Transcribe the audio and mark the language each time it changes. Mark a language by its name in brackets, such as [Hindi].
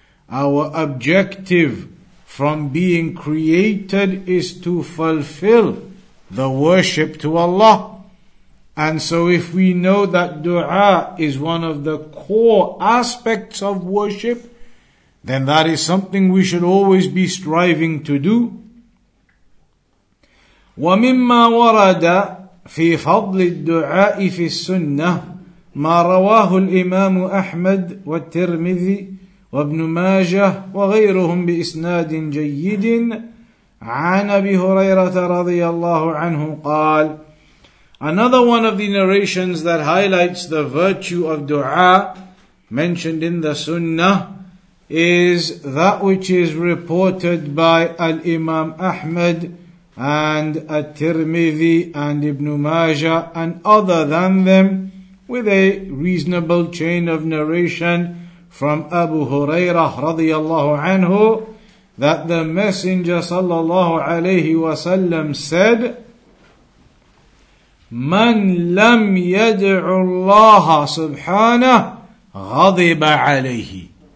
[English] Our objective from being created is to fulfill the worship to Allah. And so if we know that dua is one of the core aspects of worship, then that is something we should always be striving to do. [Arabic] وَمِمَّا وَرَدَ في فضل الدعاء في السنة ما رواه الإمام أحمد والترمذي وابن ماجه وغيرهم بإسناد جيد عن أبي هريرة رضي الله عنه قال. [English] Another one of the narrations that highlights the virtue of dua mentioned in the Sunnah is that which is reported by al-Imam Ahmad and At-Tirmidhi and Ibn Majah and other than them, with a reasonable chain of narration from Abu Hurairah radiyallahu anhu, that the Messenger sallallahu alayhi wa sallam said, [Arabic] Man lam yad'u Allah subhanahu ghadiba alayhi.